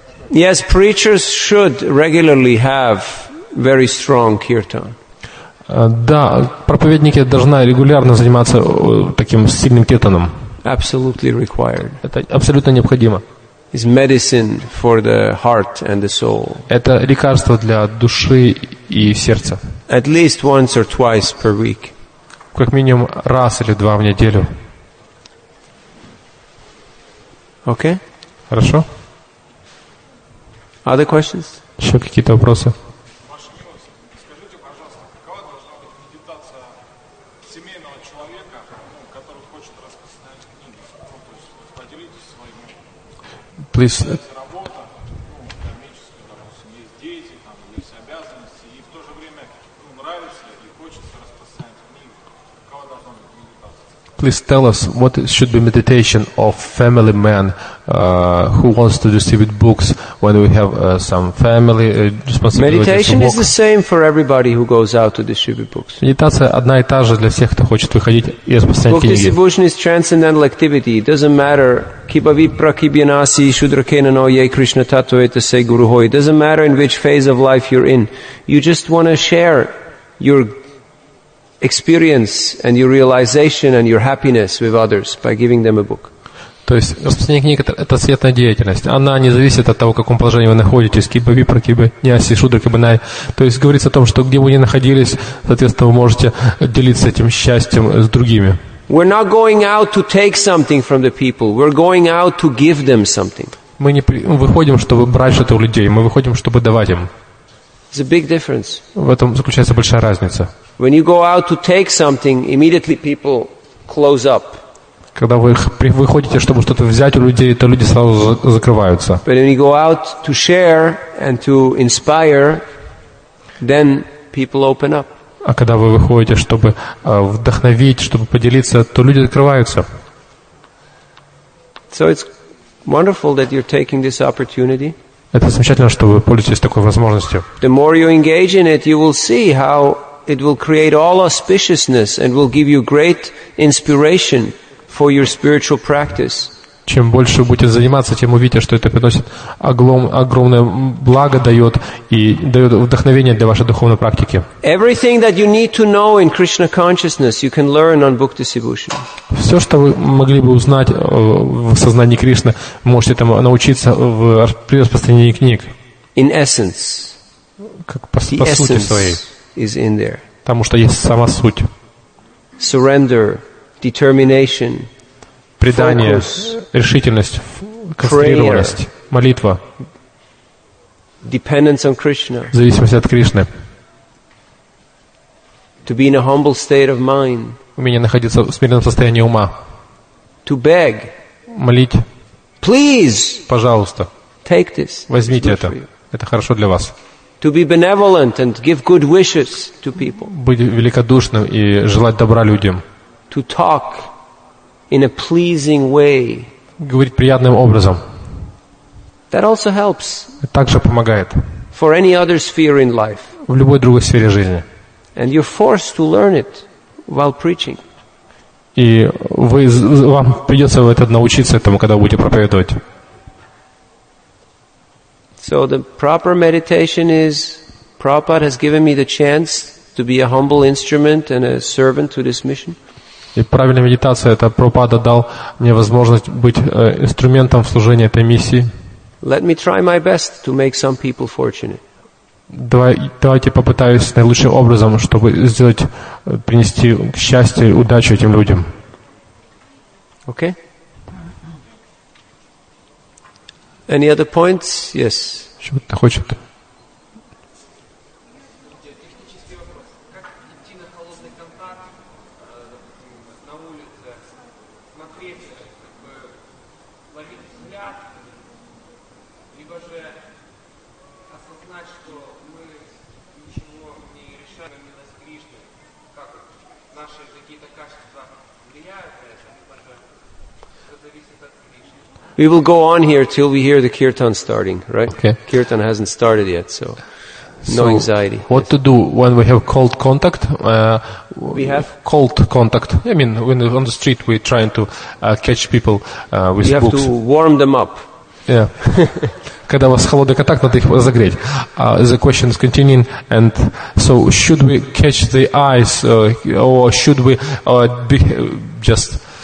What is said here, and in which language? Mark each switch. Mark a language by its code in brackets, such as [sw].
[en] Yes, preachers should regularly have very strong kirtan. [ru] Да, проповедники должны регулярно заниматься таким сильным киртаном. [en] Absolutely required. [ru] Это абсолютно необходимо. [en] It's medicine for the heart and the soul. [ru] Это лекарство для души и сердца. [en] At least once or twice per week. [ru] Как минимум раз или два в неделю. [en] Okay. [ru] Хорошо. [en] Other questions? [ru] Еще какие-то вопросы? Ваши вопросы. Скажите, пожалуйста, какова должна быть медитация семейного человека, который хочет распространять книги? Ну, то есть, поделитесь своим. [en] Please. [ru] Есть работа, ну, кармическая, допустим, есть дети, там, есть обязанности, и в то же время, ну, нравится и хочется распространять книги. Какова должна быть медитация? [en] Please tell us, what should be meditation of family man, who wants to distribute books when we have some family responsibility? Meditation is the same for everybody who goes out to distribute books. [ru] Медитация одна и та же для всех, кто хочет выходить и распространять книги. [en] Book distribution is transcendental activity. It doesn't matter. [sa] Kibavipra, kibyanasi, shudrakena noye, krishna tatvaita se guruho. [en] It doesn't matter in which phase of life you're in. You just want to share your experience and your realization and your happiness with others by giving them a book. [ru] То есть распространение книг – это светная деятельность. Она не зависит от того, в каком положении вы находитесь. [sa] Киба випра, киба няси, шудра, киба най. [ru] То есть говорится о том, что где вы ни находились, соответственно, вы можете делиться этим счастьем с другими. [en] We're not going out to take something from the people. We're going out to give them something. [ru] Мы не выходим, чтобы брать что-то у людей. Мы выходим, чтобы давать им. [en] It's a big difference. [ru] В этом заключается большая разница. [en] When you go out to take something, immediately people close up. [ru] Когда вы выходите, чтобы что-то взять у людей, то люди сразу закрываются. [en] But when you go out to share and to inspire, then people open up. [ru] А когда вы выходите, чтобы вдохновить, чтобы поделиться, то люди закрываются. [en] So it's wonderful that you're taking this opportunity. [ru] Это замечательно, что вы пользуетесь такой возможностью. [en] The more you engage in it, you will see how it will create all auspiciousness and will give you great inspiration for your spiritual practice. [ru] Чем больше вы будете заниматься, тем увидите, что это приносит огромное благо дает и дает вдохновение для вашей духовной практики. [en] Everything that you need to know in Krishna consciousness, you can learn on book distribution. [ru] Все, что вы могли бы узнать в сознании Кришны, можете там научиться в распространении книг. [en] In essence. [ru] Как по сути своей. [en] Is in there. [ru] Потому что есть сама суть. [en] Surrender. Determination, [ru] предание, focus, решительность, кастрированность, молитва, [en] dependence on Krishna, [ru] зависимость от Кришны, [en] to be in a humble state of mind, [ru] умение находиться в смиренном состоянии ума, [en] to beg, [ru] молить, [en] please, [ru] пожалуйста, [en] take this, [ru] возьмите это, это хорошо для вас. [en] To be benevolent and give good wishes to people. [ru] Быть великодушным и желать добра людям. [en] To talk in a pleasing way. [ru] Говорить приятным образом. [en] That also helps. [ru] Это также помогает. [en] For any other sphere in life. [ru] В любой другой сфере жизни. [en] And you're forced to learn it while preaching. [ru] И вы, вам придется это научиться этому, когда будете проповедовать. [en] So the proper meditation is Prabhupada has given me the chance to be a humble instrument and a servant to this mission. [ru] И правильная медитация это Прабхупада дал мне возможность быть инструментом в служении этой миссии. [en] Let me try my best to make some people fortunate. [ru] Давайте попытаюсь наилучшим образом, чтобы сделать принести счастье и удачу этим людям. [en] Okay? Any other points? Yes. [ru] Что-то хочет. Технический вопрос. Как идти на холодный контакт, допустим, на улице, смотреть, как бы ловить взгляд, либо же осознать, что мы ничего не решаем, не нас Кришны. Как наши какие-то качества влияют на это, либо же все зависит от Кришны. [en] We will go on here till we hear the kirtan starting, right? Okay. Kirtan hasn't started yet, so no anxiety. What to do when we have cold contact? We have cold contact. I mean, when on the street we're trying to catch people with You have to warm them up. Yeah. [ru] Когда у вас холодный контакт, надо их разогреть. [en] The question is continuing, and so should we catch the eyes or should we be just?